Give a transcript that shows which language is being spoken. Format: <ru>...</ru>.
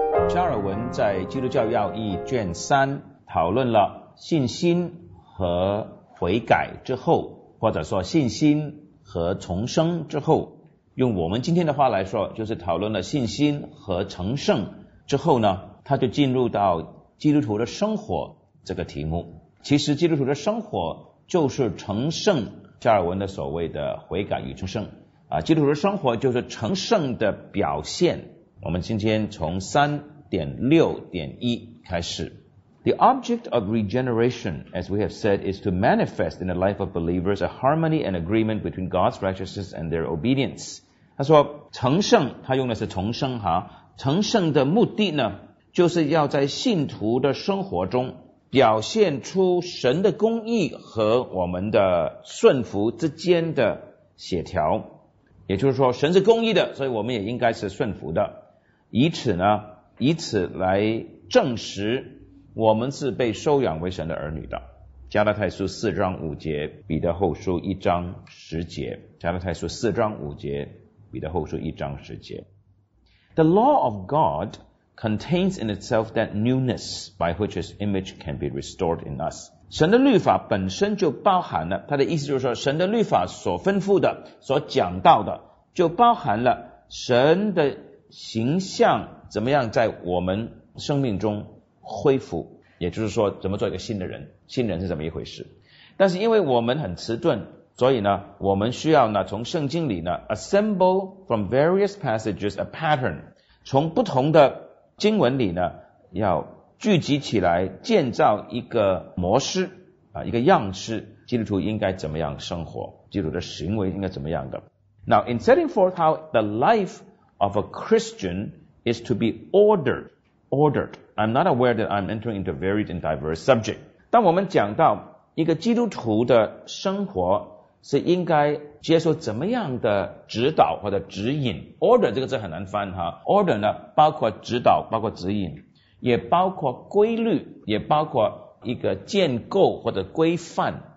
<zh>加尔文在《基督教要义》卷三讨论了信心和悔改之后，或者说信心和重生之后，用我们今天的话来说，就是讨论了信心和成圣之后呢，他就进入到基督徒的生活这个题目。其实基督徒的生活就是成圣，加尔文的所谓的悔改与成圣啊，基督徒的生活就是成圣的表现。我们今天从 3.6.1 开始。</zh> <en>The object of regeneration, as we have said, is to manifest in the life of believers a harmony and agreement between God's righteousness and their obedience.</en> <zh>他说成圣，他用的是重生哈，成圣的目的呢，就是要在信徒的生活中表现出神的公义和我们的顺服之间的协调。也就是说，神是公义的，所以我们也应该是顺服的，以此呢，以此来证实我们是被收养为神的儿女的。加拉太书4:5，彼得后书1:10。加拉太书4:5，彼得后书1:10。</zh> <en>The law of God contains in itself that newness by which His image can be restored in us.</en> <zh>神的律法本身就包含了，他的意思就是说，神的律法所吩咐的、所讲到的，就包含了神的形象怎么样在我们生命中恢复，也就是说怎么做一个新的人，新人是怎么一回事。但是因为我们很迟钝，所以呢，我们需要呢从圣经里呢</zh> <en>assemble from various passages a pattern，</en> <zh>从不同的经文里呢要聚集起来，建造一个模式啊，一个样式，基督徒应该怎么样生活，基督徒的行为应该怎么样的。</zh> <en>Now in setting forth how the lifeof a Christian is to be ordered. I'm not aware that I'm entering into a varied and diverse subject.</en> <zh>当我们讲到一个基督徒的生活是应该接受怎么样的指导或者指引， order 这个字很难翻哈。 order 呢包括指导，包括指引，也包括规律，也包括一个建构或者规范。</zh>